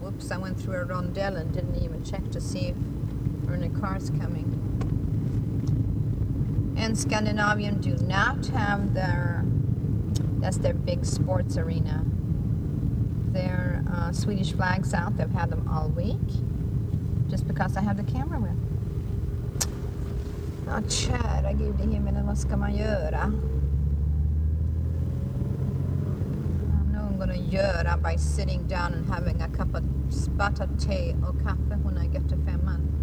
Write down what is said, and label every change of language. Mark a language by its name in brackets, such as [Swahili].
[English] Whoops, I went through a rondelle and didn't even check to see if any car's coming. And Scandinavian do not have their big sports arena. Their Swedish flags out, they've had them all week, just because I have the camera with. [Swedish] Ja, kära gud I himmelen, vad ska man göra? [English] I'm not gonna [Swedish] göra [English] by sitting down and having a cup of spatta te or kaffe when I get to Femman.